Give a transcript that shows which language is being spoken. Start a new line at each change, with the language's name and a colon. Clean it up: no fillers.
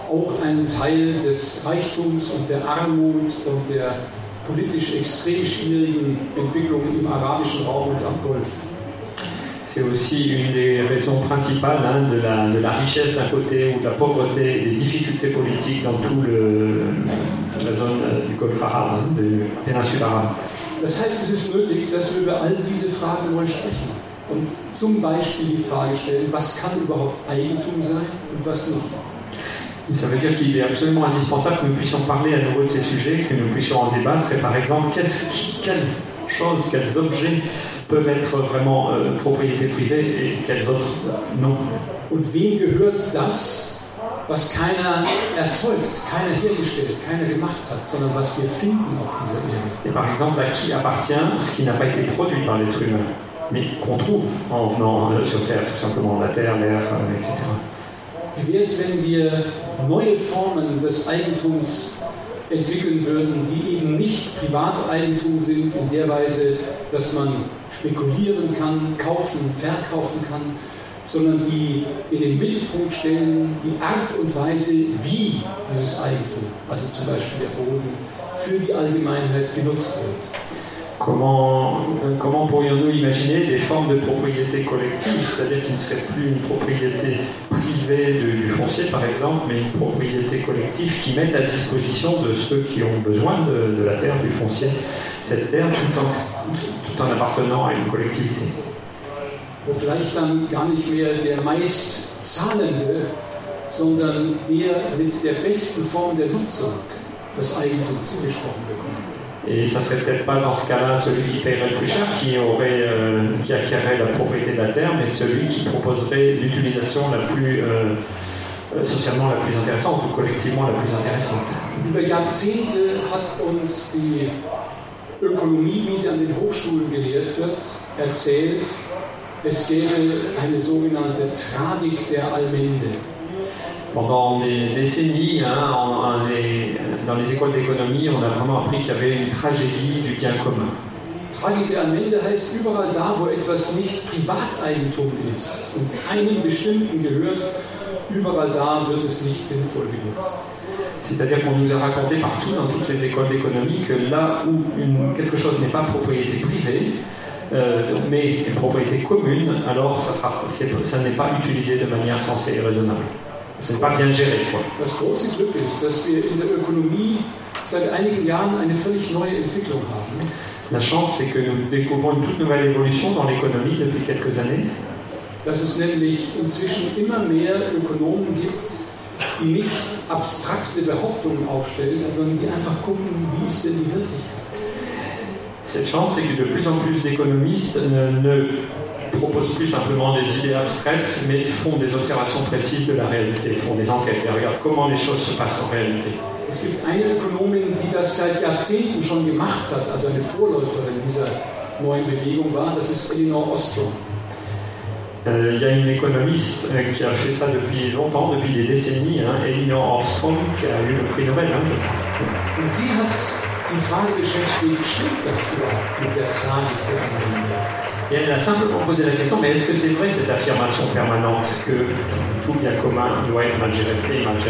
German: Auch ein Teil des Reichtums und der Armut und der politisch extrem schwierigen Entwicklung im arabischen Raum und am Golf.
French: C'est aussi une des raisons principales hein, de la richesse d'un côté ou de la pauvreté, des difficultés politiques dans tout la zone du Golfe arabe, hein, de la péninsule arabe.
German: Das heißt, es ist nötig, dass wir über all diese Fragen neu sprechen und zum Beispiel die Frage stellen, was kann überhaupt Eigentum sein und was nicht.
French: Ça veut dire qu'il est absolument indispensable que nous puissions parler à nouveau de ces sujets, que nous puissions en débattre et par exemple, quelles objets peuvent être vraiment propriété privée et quels autres non.
German: Und wem gehört das, was keiner erzeugt, keiner hergestellt, keiner gemacht hat, sondern was wir finden auf dieser Erde?
French: Et par exemple, à qui appartient ce qui n'a pas été produit par l'être humain, mais qu'on trouve en venant sur Terre, tout simplement, la Terre, l'air, etc.
German: Wie wäre es, wenn wir neue Formen des Eigentums entwickeln würden, die eben nicht Privateigentum sind, in der Weise, dass man spekulieren kann, kaufen, verkaufen kann, sondern die in den Mittelpunkt stellen, die Art und Weise, wie dieses Eigentum, also zum Beispiel der Boden, für die Allgemeinheit genutzt wird.
French: Comment pourrions-nous imaginer des formes de propriété collective, c'est-à-dire qui ne serait plus une propriété privée du foncier, par exemple, mais une propriété collective qui mette à disposition de ceux qui ont besoin de la terre, du foncier, cette terre, tout en appartenant à une collectivité.
German: Wo vielleicht dann gar nicht mehr der meist zahlende, sondern eher mit der besten Form der Nutzung das Eigentum zugesprochen bekommt.
French: Et ça serait peut-être pas dans ce cas-là celui qui paierait le plus cher, qui acquérerait la propriété de la terre, mais celui qui proposerait l'utilisation la plus socialement la plus intéressante ou collectivement la plus intéressante.
German: Über Jahrzehnte hat uns die Ökonomie, wie sie an den Hochschulen gelehrt wird, erzählt, es gäbe eine sogenannte Tragik der Allmende.
French: Pendant des décennies, hein, dans les écoles d'économie, on a vraiment appris qu'il y avait une tragédie du bien commun.
German: Tragik der Allmende heißt überall da, wo etwas nicht Privateigentum ist und keinem bestimmten gehört, überall da wird es nicht sinnvoll genutzt.
French: C'est-à-dire qu'on nous a raconté partout, dans toutes les écoles d'économie, que là où quelque chose n'est pas propriété privée, mais une propriété commune, alors ça n'est pas utilisé de manière sensée et raisonnable. C'est pas bien géré, quoi.
German: Das große Glück ist, dass wir in der Ökonomie seit einigen Jahren eine völlig neue Entwicklung haben.
French: La chance, c'est que nous découvrons une toute nouvelle évolution dans l'économie depuis quelques années.
German: Dass es nämlich inzwischen immer mehr Ökonomen gibt, die nicht abstrakte Behauptungen aufstellen, sondern die einfach gucken, wie ist denn die Wirklichkeit.
French: Cette chance, c'est que de plus en plus d'économistes ne proposent plus simplement des idées abstraites, mais font des observations précises de la réalité, font des enquêtes et regardent comment les choses se passent en réalité.
German: Es gibt eine Ökonomin, die das seit Jahrzehnten schon gemacht hat, also eine Vorläuferin dieser neuen Bewegung war, das ist Elinor Ostrom.
French: Il y a une économiste qui a fait ça depuis longtemps, depuis des décennies, hein, Elinor Ostrom, qui a eu le prix Nobel. Hein.
German: Und sie hat die Frage beschäftigt, stimmt das überhaupt mit der Tragik der Allmende?
French: Et elle a simplement posé la question, mais est-ce que c'est vrai cette affirmation permanente que tout bien commun doit être malgré le pays malgré